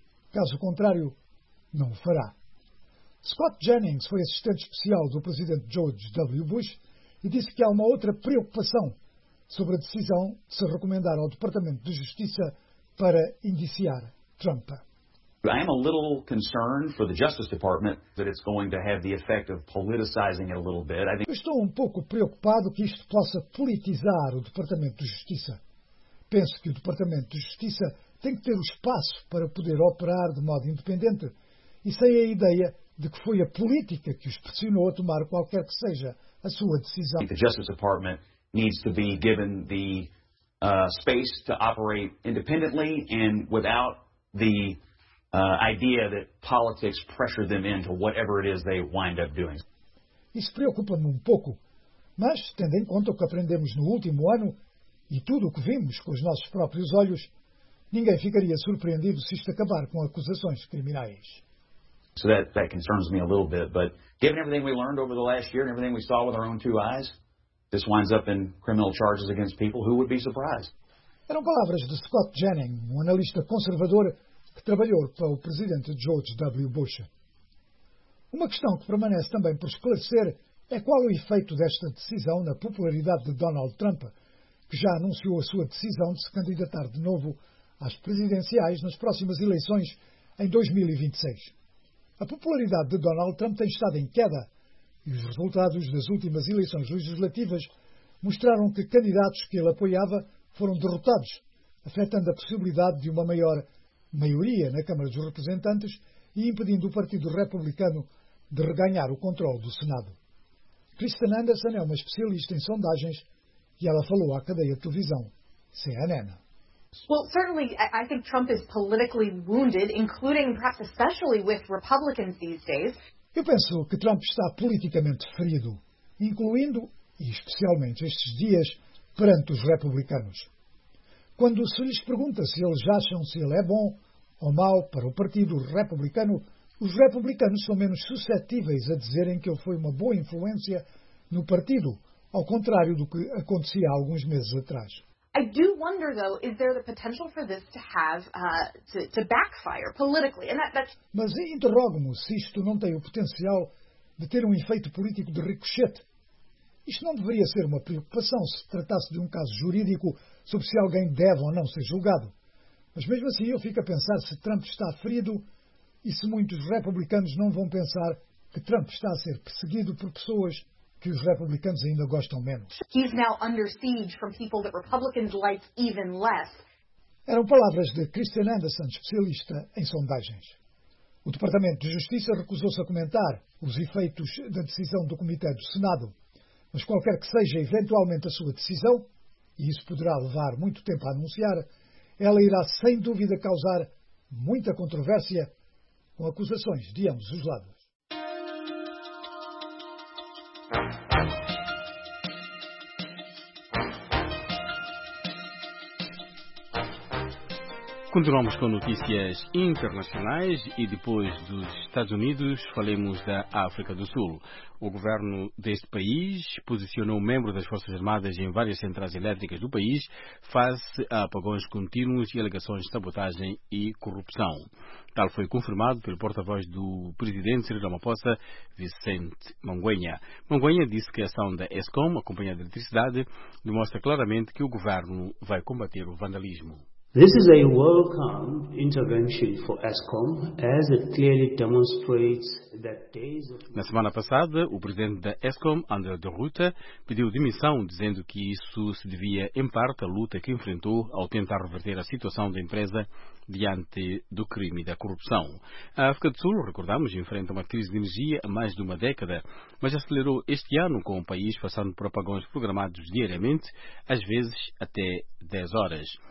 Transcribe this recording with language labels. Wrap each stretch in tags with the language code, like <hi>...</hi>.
<pt>Caso contrário, não o fará. Scott Jennings foi assistente especial do presidente George W. Bush e disse que há uma outra preocupação sobre a decisão de se recomendar ao Departamento de Justiça para indiciar Trump.</pt> <en>I am a little concerned for the Justice Department that it's going to have the effect of politicizing it a little bit. I think...</en> <pt>Eu estou pouco preocupado que isto possa politizar o Departamento de Justiça. Penso que o Departamento de Justiça tem que ter o espaço para poder operar de modo independente e sem a ideia de que foi a política que os pressionou a tomar qualquer que seja a sua decisão.</pt> <en>The Justice Department needs to be given the space to operate independently and without the idea that politics pressure them into whatever it is they wind up doing.</en> <pt>Isso preocupa-me pouco, mas tendo em conta o que aprendemos no último ano e tudo o que vimos com os nossos próprios olhos, ninguém ficaria surpreendido se isto acabar com acusações criminais.</pt> <en>So that concerns me a little bit, but given everything we learned over the last year and everything we saw with our own two eyes, this winds up in criminal charges against people, who would be surprised?</en> <pt>Eram palavras de Scott Janning, analista conservador que trabalhou para o presidente George W. Bush. Uma questão que permanece também por esclarecer é qual o efeito desta decisão na popularidade de Donald Trump, que já anunciou a sua decisão de se candidatar de novo às presidenciais nas próximas eleições em 2026. A popularidade de Donald Trump tem estado em queda e os resultados das últimas eleições legislativas mostraram que candidatos que ele apoiava foram derrotados, afetando a possibilidade de uma maior maioria na Câmara dos Representantes e impedindo o Partido Republicano de reganhar o controle do Senado. Kristen Anderson é uma especialista em sondagens e ela falou à cadeia de televisão CNN.</pt> <en>Well, certainly, I think Trump is politically wounded, including perhaps especially with Republicans these days.</en> <pt>Eu penso que Trump está politicamente ferido, incluindo e especialmente estes dias perante os republicanos. Quando se lhes pergunta se eles acham se ele é bom ou mau para o Partido Republicano, os republicanos são menos suscetíveis a dizerem que ele foi uma boa influência no partido, ao contrário do que acontecia há alguns meses atrás.</pt> <en>I do wonder, though, is there the potential for this to have to backfire politically? And that's.</en> <pt>Mas interrogo-me se isto não tem o potencial de ter efeito político de ricochete. Isto não deveria ser uma preocupação se tratasse de caso jurídico sobre se alguém deve ou não ser julgado. Mas mesmo assim eu fico a pensar se Trump está ferido e se muitos republicanos não vão pensar que Trump está a ser perseguido por pessoas que os republicanos ainda gostam menos.</pt> <en>He's now under siege from people that Republicans like even less.</en> <pt>Eram palavras de Kristen Anderson, especialista em sondagens. O Departamento de Justiça recusou-se a comentar os efeitos da decisão do Comitê do Senado, mas qualquer que seja eventualmente a sua decisão, e isso poderá levar muito tempo a anunciar, ela irá sem dúvida causar muita controvérsia com acusações de ambos os lados. Continuamos com notícias internacionais e depois dos Estados Unidos, falemos da África do Sul. O governo deste país posicionou membros das Forças Armadas em várias centrais elétricas do país face a apagões contínuos e alegações de sabotagem e corrupção. Tal foi confirmado pelo porta-voz do presidente Cyril Ramaphosa, Vicente Mangwenya. Mangwenya disse que a ação da ESCOM, a companhia de eletricidade, demonstra claramente que o governo vai combater o vandalismo.</pt> <en>This is a welcome intervention for ESCOM, as it clearly demonstrates that days of...</en> <pt>Na semana passada, o presidente da ESCOM, André de Ruta, pediu demissão, dizendo que isso se devia, em parte, à luta que enfrentou ao tentar reverter a situação da empresa diante do crime e da corrupção. A África do Sul, recordamos, enfrenta uma crise de energia há mais de uma década, mas acelerou este ano com o país passando por apagões programados diariamente, às vezes até 10 horas.</pt>